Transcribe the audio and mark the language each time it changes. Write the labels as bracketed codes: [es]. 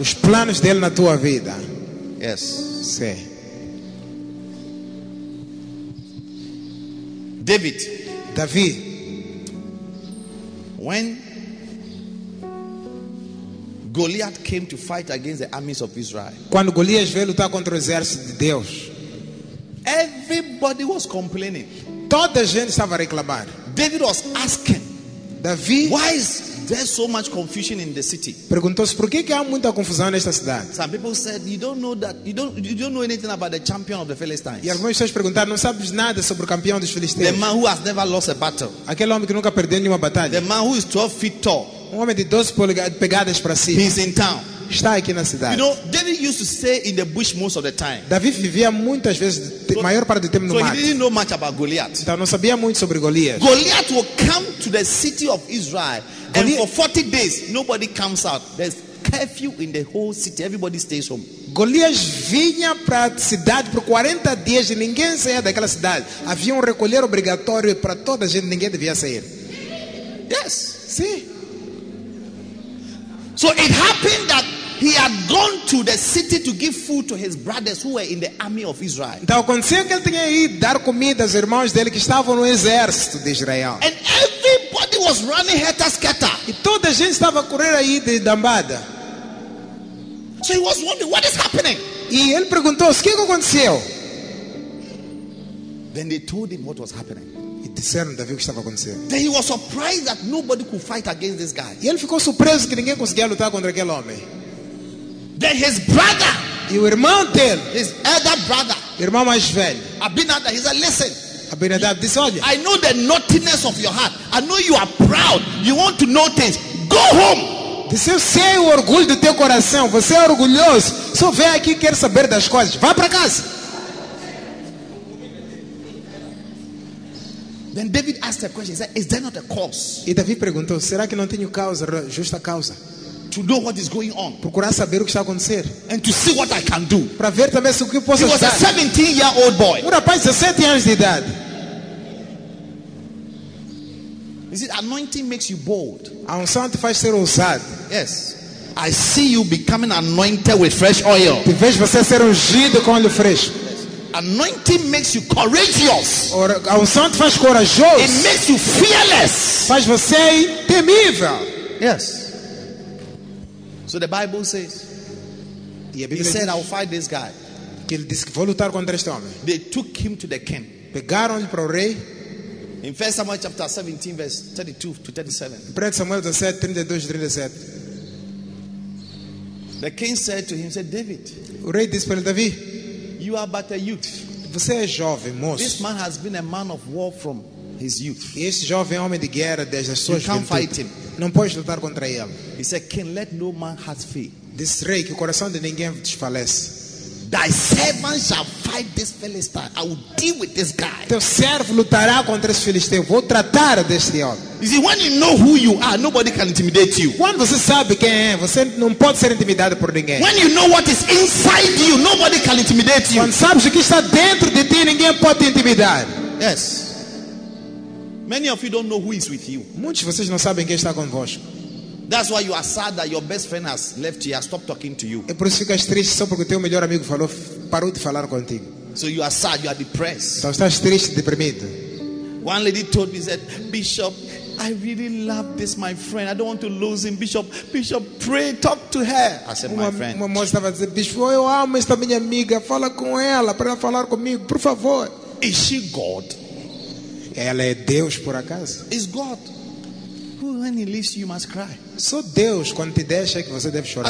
[pt] Os planos dele na tua vida. [en] Yes. [pt] Sim. [en] David. [pt] Davi. [en] When Goliath came to fight against the armies of Israel. [pt] Quando Golias veio lutar contra o exército de Deus. [en] Everybody was complaining. [pt] Toda a gente estava a reclamar. [en] David was asking, [pt] Davi, [en] why is there so much confusion in the city? [pt] Perguntou-se por que há muita confusão nesta cidade. [en] Some people said, you don't know that, you don't know anything about the champion of the Philistines. [pt] E algumas pessoas perguntaram, não sabes nada sobre o campeão dos filisteus. [en] The man who has never lost a battle. [pt] Aquele homem que nunca perdeu nenhuma batalha. [en] The man who is 12 feet tall. [pt] Um homem de 12 pegadas para cima. [en] He's in town. [pt] Está aqui na cidade. [en] You know, David used to stay in the bush most of the time. [pt] Davi vivia muitas vezes, maior parte do tempo no mato. [en] So he didn't know much about Goliath. [pt] Então não sabia muito sobre Goliath. [en] Goliath will come to the city of Israel, Goliath, and for 40 days nobody comes out. There's curfew in the whole city. Everybody stays home. [pt] Goliath vinha para a cidade por 40 dias e ninguém saía daquela cidade. Havia um recolher obrigatório para toda a gente, ninguém devia sair. [en] Yes. [pt] Sim. [en] So it happened that he had gone to the city to give food to his brothers who were in the army of Israel. [pt] Então aconteceu que ele tinha ido dar comida aos irmãos dele que estavam no exército de Israel. [en] And everybody was running helter skelter. [pt] E toda a gente estava a correr aí de dambada. [en] So he was wondering, what is happening? [pt] E ele perguntou, o que aconteceu? [en] Then they told him what was happening. [pt] Disseram Davi o que estava acontecendo. [en] Then he was surprised that nobody could fight against this guy. [pt] E ele ficou surpreso que ninguém conseguia lutar contra aquele homem. [en] Then his brother, [pt] e o irmão dele, [en] his elder brother, [pt] irmão mais velho, [en] Abinadab, he said, listen, Abinadab, this one, I know the naughtiness of your heart. I know you are proud. You want to know things. Go home. [pt] Disse, eu sei o orgulho do teu coração. Você é orgulhoso. Só vem aqui e quer saber das coisas. Vá para casa. [en] Then David asked a question. He said, "Is there not a cause?" [pt] E Davi perguntou, será que não tenho causa, justa causa? [en] To know what is going on. [pt] Procurar saber o que está a acontecer. [en] And to see what I can do. [pt] Para ver também se o que posso fazer. [en] He was a 17-year-old boy. [pt] Um rapaz de 17 anos de idade. [en] Is it anointing makes you bold? [pt] A unção te faz ser ousado. [en] Yes. I see you becoming anointed with fresh oil. [pt] Te vejo você ser ungido com óleo fresco. [en] Anointing makes you courageous. [pt] Or, a unção te faz corajoso. [en] It makes you fearless. [pt] Faz você temível. [en] Yes. So the Bible says, [pt] e a Bíblia [en] he said, [pt] diz, [en] I'll fight this guy. [pt] Que ele disse que vou lutar contra este homem. [en] They took him to the camp. [pt] Pegaram-lhe para o rei. [en] In 1 Samuel chapter 17, verse 32 to 37. [pt] 1 Samuel 17:32-37. [en] The king said to him, said David. [pt] O rei disse para Davi. [en] You are but a youth. [pt] Você é jovem, moço. [en] This man has been a man of war from his youth. [pt] Este jovem homem de guerra desde a sua juventude. [en] You can't fight him. [pt] Não pode lutar contra ele. [en] He said, "King, let no man heart fail." This [pt] rei, que o coração de ninguém desfalece. [en] Thy servant shall fight this Philistine. I will deal with this guy. [pt] Teu servo lutará contra esse filisteu. Vou tratar deste homem. [en] You see, when you know who you are, nobody can intimidate you. [pt] Quando você sabe quem é, você não pode ser intimidado por ninguém. [en] When you know what is inside you, nobody can intimidate you. [pt] Quando sabes o que está dentro de ti, ninguém pode te intimidar. [en] Yes. Many of you don't know who is with you. [pt] Muitos de vocês não sabem quem está convosco. [en] That's why you are sad that your best friend has left you, has stopped talking to you. [pt] É por isso que ficas triste só porque o teu melhor amigo falou, parou de falar contigo. [en] So you are sad, you are depressed. [pt] Então estás triste, deprimido. [en] One lady told me, said, Bishop, I really love this my friend. I don't want to lose him. Bishop, pray, talk to her. I said, my friend. [pt] Uma moça estava dizendo, Bishop, eu amo esta minha amiga. Fala com ela para ela falar comigo, por favor. [en] Is she God? [pt] Ela é Deus por acaso? [en] Is God? When he leaves you, you must cry. [pt] Só Deus quando te deixa é que você deve chorar.